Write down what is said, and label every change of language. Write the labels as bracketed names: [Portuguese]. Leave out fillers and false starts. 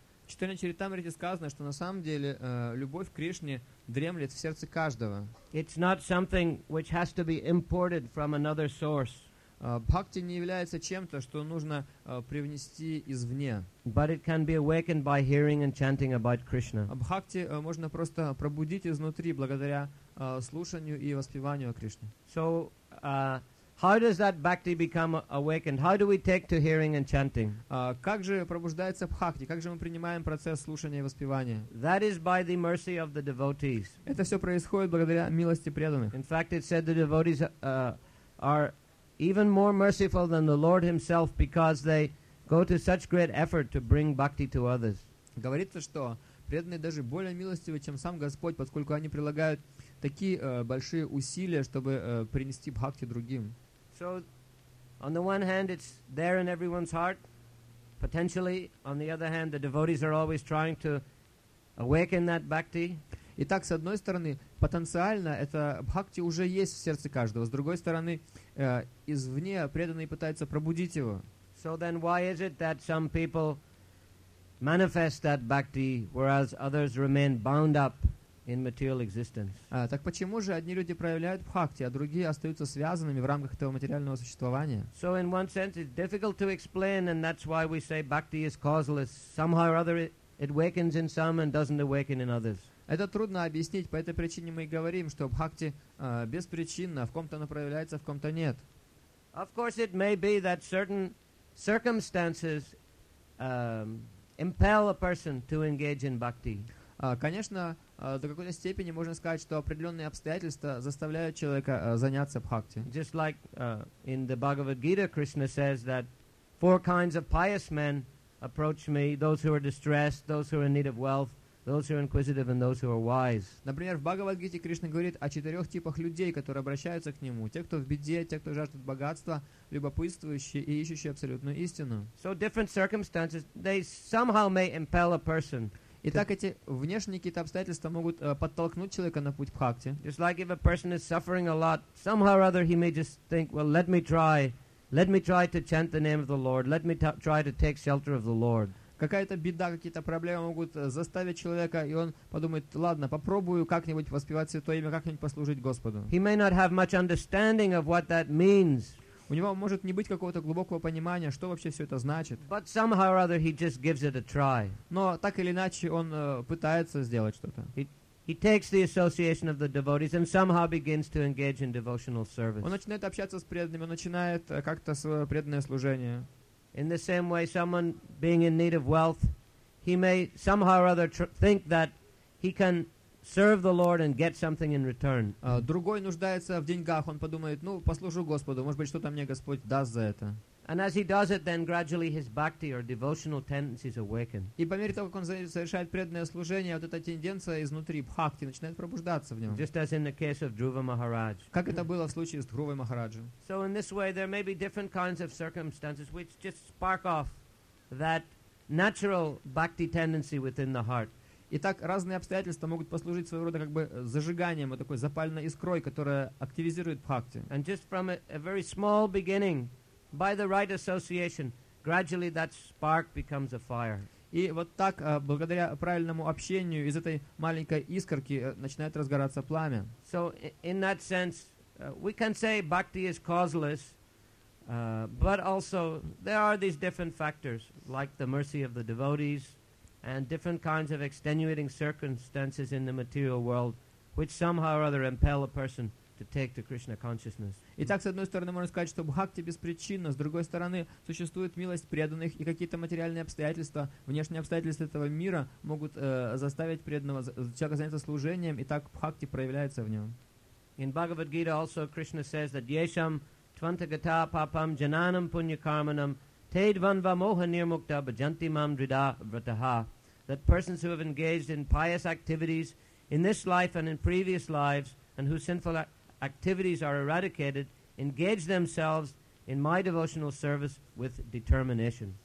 [Russian] В Читане Чаритамрите сказано, что на самом деле любовь к Кришне дремлет в сердце каждого. [English] It's not something which has to be imported from another source. [Russian] Бхакти не является чем-то, что нужно привнести извне. [English] But it can be awakened by hearing and chanting about Krishna. [Russian] Бхакти можно просто пробудить изнутри благодаря слушанию и воспеванию о Кришне. [English] So, how does that bhakti become awakened? How do we take to hearing and chanting? [Russian] Как же пробуждается бхакти? Как же мы принимаем процесс слушания и воспевания? [English] That is by the mercy of the devotees. [Russian] Это все происходит благодаря милости преданных. [English] In fact, it said the devotees are even more merciful than the Lord Himself because they go to such great effort to bring bhakti to others. [Russian] Говорится, что преданные даже более милостивы, чем сам Господь, поскольку они прилагают такие большие усилия, чтобы принести бхакти другим. [English] So, on the one hand, it's there in everyone's heart, potentially. On the other hand, the devotees are always trying to awaken that bhakti. [Russian] Итак, с одной стороны, потенциально это бхакти уже есть в сердце каждого. С другой стороны, извне преданные пытаются пробудить его. [English] So then, why is it that some people manifest that bhakti, whereas others remain bound up in material existence? [Russian] Так почему же одни люди проявляют бхакти, а другие остаются связанными в рамках этого материального существования? [English] So in one sense it's difficult to explain, and that's why we say bhakti is causeless. Somehow or other it awakens in some and doesn't awaken in others. [Russian] Это трудно объяснить, по этой причине мы и говорим, что бхакти беспричинно, в ком-то она проявляется, в ком-то нет. [English] Of course it may be that certain circumstances impel a person to engage in bhakti. [Russian] Конечно, до какой-то степени можно сказать, что определенные обстоятельства заставляют человека заняться бхакти. [English] Just like in the Bhagavad Gita, Krishna says that four kinds of pious men approach me: those who are distressed, those who are in need of wealth, those who are inquisitive, and those who are wise. [Russian] Например, в Бхагавад-гите Кришна говорит о четырех типах людей, которые обращаются к нему: те, кто в беде, те, кто жаждет богатства, любопытствующие и ищущие абсолютную истину. [English] So different circumstances, they somehow may impel a person. [Russian] Итак, эти внешние какие-то обстоятельства могут подтолкнуть человека на путь бхакти. [English] Just like if a person is suffering a lot, somehow or other he may just think, well, let me try to chant the name of the Lord, let me try to take shelter of the Lord. [Russian] Какая-то беда, какие-то проблемы могут заставить человека, и он подумает, ладно, попробую как-нибудь воспевать Святое Имя, как-нибудь послужить Господу. [English] He may not have much understanding of what that means. [Russian] У него может не быть какого-то глубокого понимания, что вообще все это значит. [English] But somehow or other he just gives it a try. [Russian] Но так или иначе он пытается сделать что-то. [English] He takes the association of the devotees and somehow begins to engage in devotional service. [Russian] Он начинает общаться с преданными, он начинает как-то свое преданное служение. [English] In the same way, someone being in need of wealth, he may somehow or other think that he can serve the Lord and get something in return. [Russian] Другой нуждается в деньгах, он подумает, ну, послужу Господу, может быть, что-то мне Господь даст за это. [English] And as he does it, then gradually his bhakti or devotional tendencies awaken. [Russian] И по мере того, как он совершает преданное служение, вот эта тенденция изнутри, бхакти, начинает пробуждаться в нем. [English] Just as in the case of Dhruva Maharaj. [Russian] Как это было в случае с Дхрувой Махараджем. [English] So in this way, there may be different kinds of circumstances which just spark off that natural bhakti tendency within the heart. [Russian] Итак, разные обстоятельства могут послужить своего рода как бы зажиганием, вот такой запальной искрой, которая активизирует бхакти. [English] And just from a very small beginning, by the right association, gradually that spark becomes a fire. [Russian] И вот так, благодаря правильному общению, из этой маленькой искорки начинает разгораться пламя. [English] So in that sense, we can say bhakti is causeless, but also there are these different factors, like the mercy of the devotees, and different kinds of extenuating circumstances in the material world, which somehow or other impel a person to take to Krishna consciousness. [Russian] Итак, с одной стороны, можно сказать, что бхакти беспричинна, с другой стороны, существует милость преданных, и какие-то материальные обстоятельства, внешние обстоятельства этого мира могут заставить преданного человека заняться служением, и так бхакти проявляется в нем. [English] In Bhagavad Gita also Krishna says that [Sanskrit] yesham tvantagata papam jananam punyakarmanam tedvanva moha nirmukta bhajanti mam drida vrataha, [English] that persons who have engaged in pious activities in this life and in previous lives and whose sinful activities are eradicated engage themselves in my devotional service with determination.